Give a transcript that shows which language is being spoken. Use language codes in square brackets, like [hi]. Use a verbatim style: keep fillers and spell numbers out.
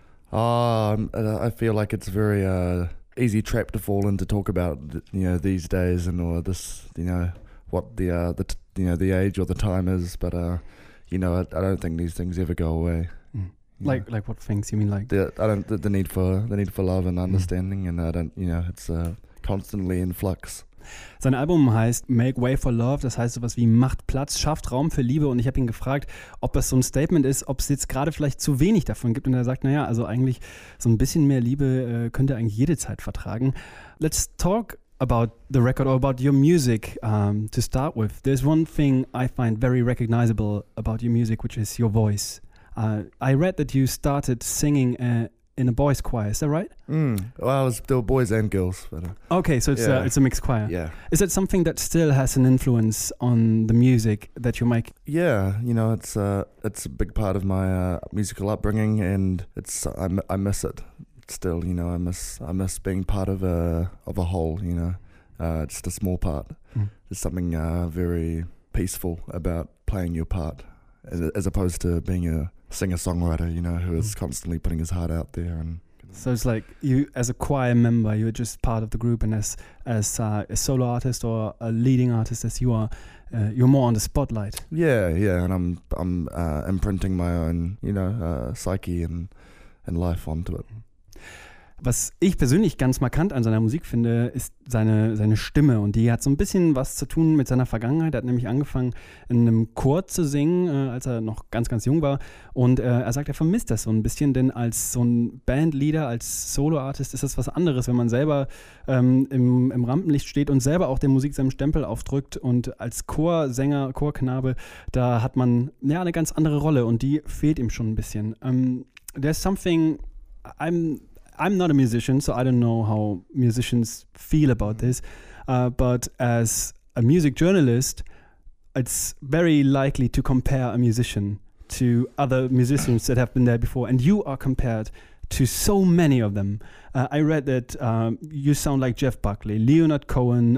[en] Um, I feel like it's a very uh, easy trap to fall into, talk about, you know, these days and or this, you know, what the uh, the t- you know the age or the time is. But uh, you know, I, I don't think these things ever go away. Mm. Like like what things you mean? Like the I don't the, the need for the need for love and understanding, mm. and I don't you know it's uh, constantly in flux. [de] Sein Album heißt Make Way for Love, das heißt sowas wie macht Platz, schafft Raum für Liebe, und ich habe ihn gefragt, ob das so ein Statement ist, ob es jetzt gerade vielleicht zu wenig davon gibt, und er sagt, naja, also eigentlich so ein bisschen mehr Liebe äh, könnte eigentlich jede Zeit vertragen. [en] Let's talk about the record or about your music um, to start with. There's one thing I find very recognizable about your music, which is your voice. Uh, I read that you started singing uh, in a boys' choir. Is that right? Mm. Well, it was still boys and girls. But, uh, okay, so it's yeah. uh, it's a mixed choir. Yeah. Is that something that still has an influence on the music that you make? Yeah, you know, it's uh, it's a big part of my uh, musical upbringing, and it's I, m- I miss it still. You know, I miss I miss being part of a of a whole. You know, uh, just a small part. Mm. There's something uh, very peaceful about playing your part, as, as opposed to being a singer-songwriter, you know, who is constantly putting his heart out there. And so it's like you, as a choir member, you're just part of the group, and as as uh, a solo artist or a leading artist as you are, uh, you're more on the spotlight. Yeah, yeah, and I'm I'm uh, imprinting my own, you know, uh, psyche and and life onto it. [de] Was ich persönlich ganz markant an seiner Musik finde, ist seine, seine Stimme. Und die hat so ein bisschen was zu tun mit seiner Vergangenheit. Er hat nämlich angefangen, in einem Chor zu singen, äh, als er noch ganz, ganz jung war. Und äh, er sagt, er vermisst das so ein bisschen, denn als so ein Bandleader, als Solo-Artist ist das was anderes, wenn man selber ähm, im, im Rampenlicht steht und selber auch der Musik seinen Stempel aufdrückt. Und als Chorsänger, Chorknabe, da hat man ja eine ganz andere Rolle, und die fehlt ihm schon ein bisschen. [en] Um, there's something... I'm... I'm not a musician, so I don't know how musicians feel about this. Uh, but as a music journalist, it's very likely to compare a musician to other musicians that have been there before. And you are compared to so many of them. Uh, I read that um, you sound like Jeff Buckley, Leonard Cohen.